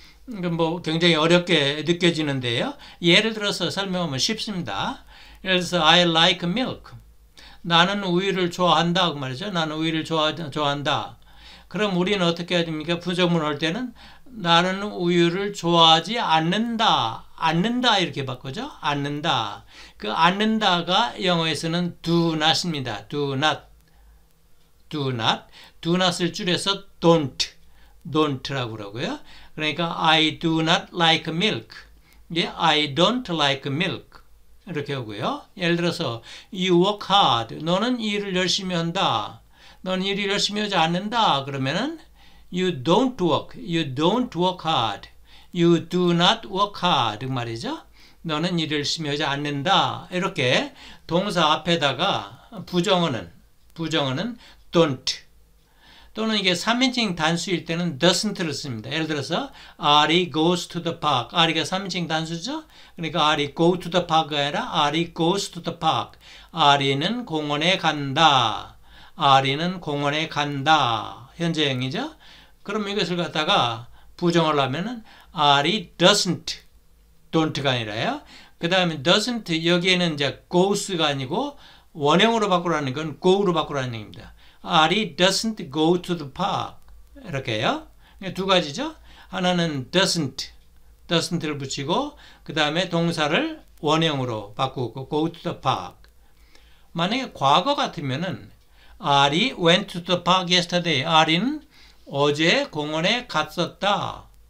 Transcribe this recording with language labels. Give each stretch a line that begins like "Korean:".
Korean: 뭐 굉장히 어렵게 느껴지는데요. 예를 들어서 설명하면 쉽습니다. 예를 들어서
English: I like milk.
Korean: 나는 우유를 좋아한다. 그 말이죠. 나는 우유를 좋아한다. 그럼 우리는 어떻게 해야 됩니까? 부정문 할 때는 나는 우유를 좋아하지 않는다. 않는다 이렇게 바꾸죠. 않는다. 그 않는다가 영어에서는 do not입니다.
English: do not. do not.
Korean: do not을 줄여서 don't. don't라고 그러고요. 그러니까
English: I do not like milk. 예, I don't like milk.
Korean: 이렇게 하고요. 예를 들어서
English: You work hard.
Korean: 너는 일을 열심히 한다. 너는 일을 열심히 하지 않는다. 그러면은
English: You don't work. You don't work hard. You do not work hard.
Korean: 말이죠. 너는 일을 열심히 하지 않는다. 이렇게 동사 앞에다가 부정어는 don't. 또는 이게 3인칭 단수일 때는 doesn't를 씁니다.
English: 예를 들어서 Ari goes to the park.
Korean: Ari가 3인칭 단수죠. 그러니까
English: Ari go to the park
Korean: 가 아니라
English: Ari goes to the park.
Korean: Ari는 공원에 간다. Ari는 공원에 간다. 현재형이죠. 그럼 이것을 갖다가 부정을 하면은
English: Ari doesn't. don't
Korean: 가 아니라요. 그 다음에 doesn't 여기에는 이제 goes가 아니고 원형으로 바꾸라는 건 go로 바꾸라는 얘기입니다.
English: Ari doesn't go to the park.
Korean: 이렇게요. 두 가지죠. 하나는 doesn't를 붙이고 그 다음에 동사를 원형으로 바꾸고
English: go to the park.
Korean: 만약에 과거 같으면은
English: Ari went to the park yesterday.
Korean: Ari는 어제 공원에 갔었다.